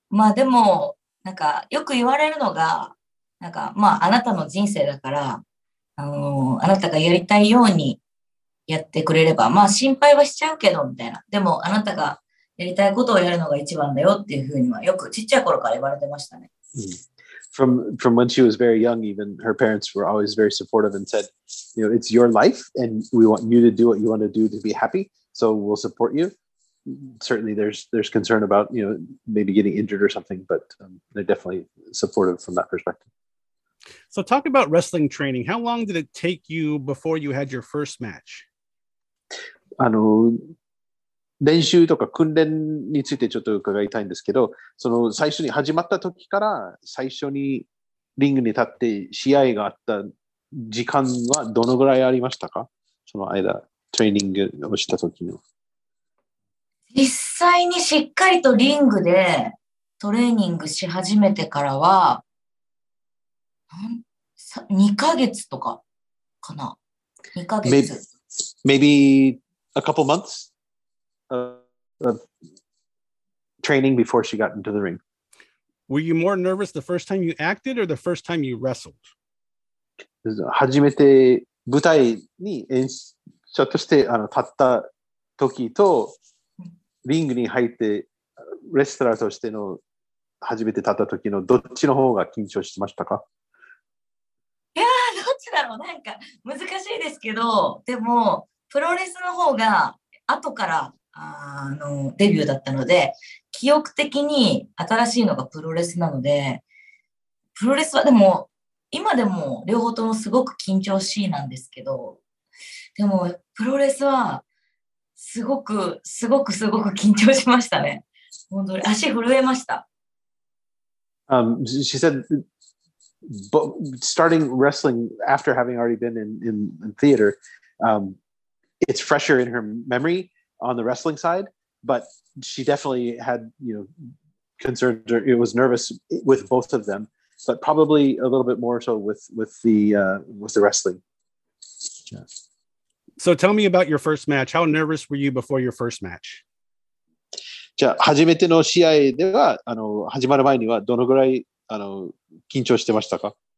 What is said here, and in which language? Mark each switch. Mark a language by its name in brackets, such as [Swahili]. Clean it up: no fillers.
[Japanese] まあでも、なんかよく言われるのが、なんかまああなたの人生だから、あなたがやりたいように、やってくれれば、まあ心配はしちゃうけどみたいな。でもあなたがやりたいことをやるのが一番だよっていうふうにはよくちっちゃい頃から言われてましたね。 [English] From when she was very young, even her parents were always very supportive and said, you know, it's your life and we want you to do what you want to do to be happy, so we'll support you. Certainly there's concern about, you know, maybe getting injured or something, but they're definitely supportive from that perspective. So talk about wrestling training. How long did it take you before you had your first match? [Japanese] あの練習とか訓練についてちょっと伺いたいんですけど、その最初に始まった時から最初にリングに立って試合があった時間はどのぐらいありましたか？その間トレーニングをした時の実際にしっかりとリングでトレーニングし始めてからは2ヶ月とかかな、2ヶ月。 [English] Maybe a couple months of training before she got into the ring. Were you more nervous the first time you acted or the first time you wrestled? [Japanese] 初めて舞台に演者として立った時とリングに入ってレスラーとしての初めて立った時のどっちの方が緊張しましたか？なんか難しいですけど、でもプロレスの方が後からデビューだったので記憶的に新しいのがプロレスなので、プロレスはでも今でも両方ともすごく緊張しいなんですけど、でもプロレスはすごくすごくすごく緊張しましたね。本当に足震えました。 [English] She saidBut starting wrestling after having already been in theater, it's fresher in her memory on the wrestling side, but she definitely had, you know, concerns, or it was nervous with both of them, but probably a little bit more so with the wrestling. So tell me about your first match. How nervous were you before your first match? [Japanese] じゃあ初めての試合では、始まる前にはどのぐらい緊張してましたか？